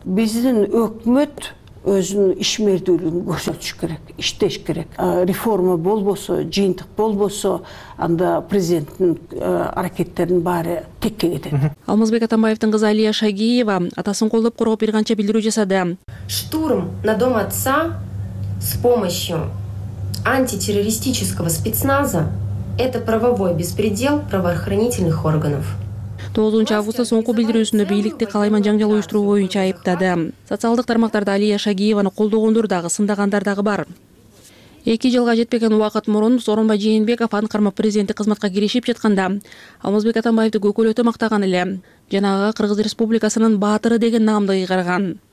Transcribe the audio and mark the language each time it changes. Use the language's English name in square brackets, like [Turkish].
[Kyrgyz] Биздин өкмөт өзүнүн ишмердүүлүгүн көрсөтүш керек, иштеш керек. Реформа болбосо, жыйынтык болбосо, анда президенттин аракеттеринин баары текке кетет. Алмазбек Атамбаевдин кызы Алия Шагиева атасын колдоп коргоп бир канча билдирүү жасады. [Russian] Штурм на дом отца с помощью антитеррористического спецназа – это правовой беспредел правоохранительных органов. [Kyrgyz] 9 августта соңку билдирүүсүндө бийликти калайман жаңжал уюштуруу боюнча айыптады. Социалдык тармактарда Алия Шагиеваны колдогондор дагы, сындагандар дагы бар. 2 жылга жетпеген убакыт мурун Сооронбай Жээнбеков анын кармап президенттик кызматка киришип жатканда Алмазбек Атамбаевди көкөлөтө мактаган эле жана ага Кыргыз Республикасынын баатыры деген наамды ыйгарган.